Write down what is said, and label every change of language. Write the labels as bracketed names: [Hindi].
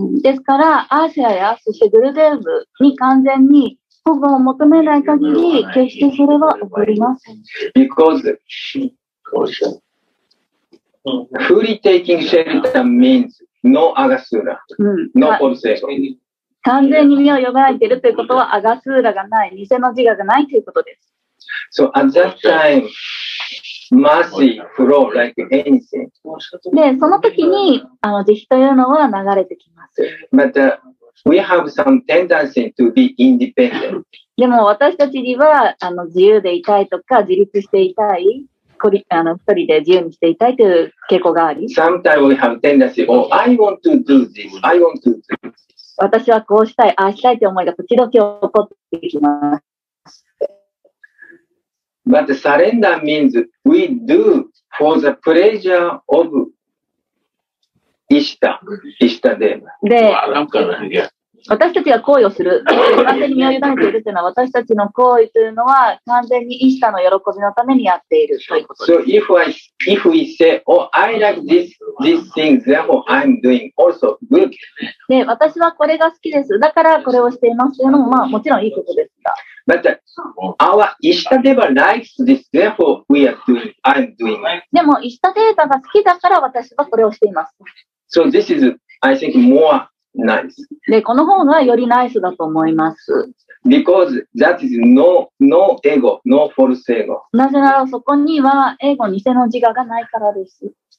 [Japanese] ですから、アーシュラや、そしてグルデーブに完全に保護を求めない限り、決してそれは起こりません。 [English] Because fully taking shelter means no agasura, no false ego. [Japanese] 完全に身を蘇っているということは、アガスーラがない、偽の自我がないということです。 [English] So at that time, mercy flow like anything. [Japanese] で、その時に、慈悲というのは流れてきます。 [English] But, we have some tendency to be independent. [Japanese] でも私たちには、自由でいたいとか、自立していたい。一人で自由にしていたいという傾向があり。 [English] Sometimes we have tendency, oh, I want to do this, I want to do this. [Japanese] 私はこうしたい、ああしたいという思いが時々起こってきます。 [English] But surrender means we do for the pleasure of Ishta, Ishta Deva. [Japanese] で、私たちが行為をする、完全に身を委ねているというのは、私たちの行為というのは、完全にイッサの喜びのためにやっているということです。 [English] So if we say, oh, I like this thing, therefore I'm doing also good. [Japanese] で、私はこれが好きです。だからこれをしていますというのも、まあ、もちろんいいことですが。 [English] But our Ishta Deva likes this, therefore we are doing, I'm doing. [Japanese] でも、イッサデータが好きだから私はこれをしています。 [English] So this is, I think, more. Nice. [Japanese] で、この方がよりナイスだと思います。 [English] Because that is no, no ego, no false ego. [Japanese] なぜならそこにはエゴ、偽の自我がないからです。